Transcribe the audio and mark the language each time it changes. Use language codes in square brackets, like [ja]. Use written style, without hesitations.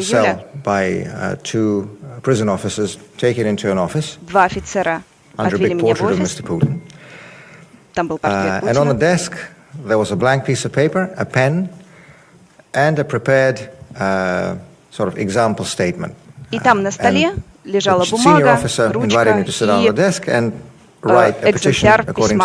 [en] cell by two prison officers, taken into an office. [ru] Два офицера [en] under a big portrait of Mr. Putin. [ru] Там был портрет Путина. [en] And on the desk there was a blank piece of paper, a pen, and a prepared sort of example statement. [ru] И там на столе лежала бумага, [en] senior officer invited me to sit down on the desk and write a petition according